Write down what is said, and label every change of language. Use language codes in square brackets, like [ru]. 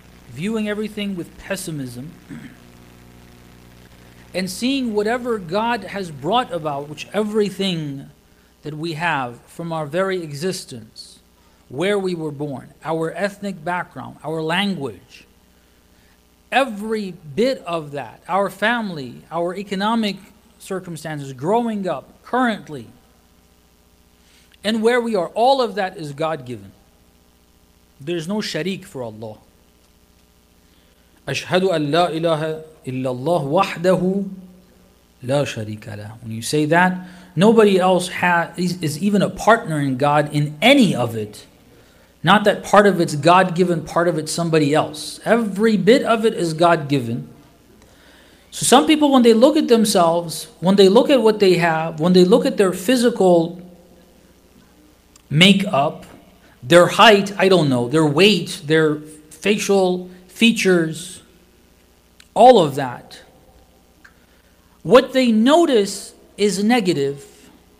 [en] Viewing everything with pessimism, and seeing whatever God has brought about, which everything that we have from our very existence, where we were born, our ethnic background, our language, every bit of that, our family, our economic circumstances, growing up, currently, and where we are, all of that is God-given. There's no sharik for Allah. [ar] أشهد أن لا إله إلا الله وحده لا شريك له. [en] When you say that, nobody else is even a partner in God in any of it. Not that part of it's God-given, part of it's somebody else. Every bit of it is God-given. So some people, when they look at themselves, when they look at what they have, when they look at their physical makeup, their height, I don't know, their weight, their facial features, all of that, what they notice is negative.